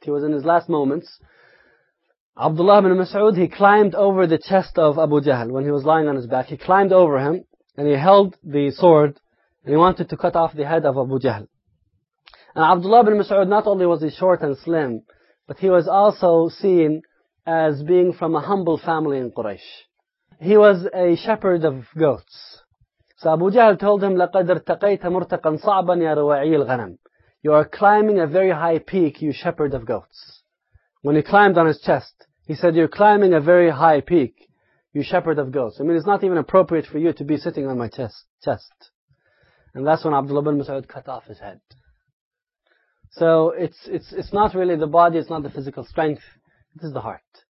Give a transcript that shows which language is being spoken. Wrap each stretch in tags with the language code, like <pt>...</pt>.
<en>He was in his last moments. Abdullah ibn Mas'ud, he climbed over the chest of Abu Jahl when he was lying on his back. He climbed over him, and he held the sword, and he wanted to cut off the head of Abu Jahl. And Abdullah ibn Mas'ud, not only was he short and slim, but he was also seen as being from a humble family in Quraysh. He was a shepherd of goats. So Abu Jahl told him,</en> <ar>لَقَدْ ارْتَقَيْتَ مُرْتَقًا صَعْبًا يَا رُوَعِي الْغَنَمِ.</ar> <en>You are climbing a very high peak, you shepherd of goats. When he climbed on his chest, he said, you're climbing a very high peak, you shepherd of goats. I mean, it's not even appropriate for you to be sitting on my chest. And that's when Abdullah ibn Mas'ud cut off his head. So it's not really the body, it's not the physical strength, it is the heart.</en>